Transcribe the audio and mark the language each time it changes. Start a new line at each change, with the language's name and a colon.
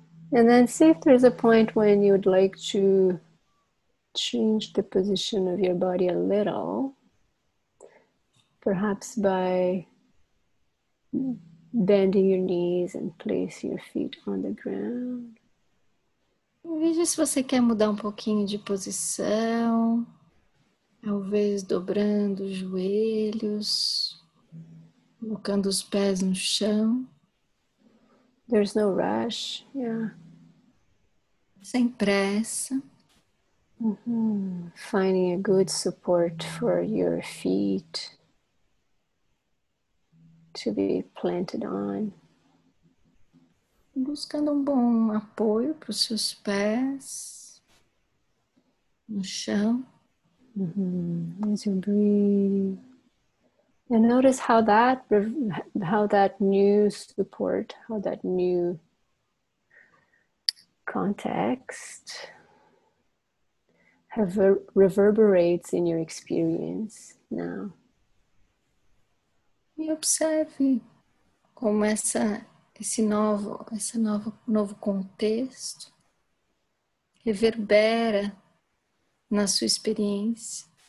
English: And then see if there's a point when you would like to change the position of your body a little, perhaps by bending your knees and placing your feet on the ground.
Portuguese: Veja se você quer mudar um pouquinho de posição, talvez dobrando os joelhos, colocando os pés no chão.
English: There's no rush, yeah.
Portuguese: Sem pressa.
English: Finding a good support for your feet to be planted on.
Portuguese: Buscando bom apoio para os seus pés no chão.
English: As you breathe. And notice how that new support, how that new context reverberates in your experience now.
Portuguese: E observe como esse novo contexto reverbera na sua experiência.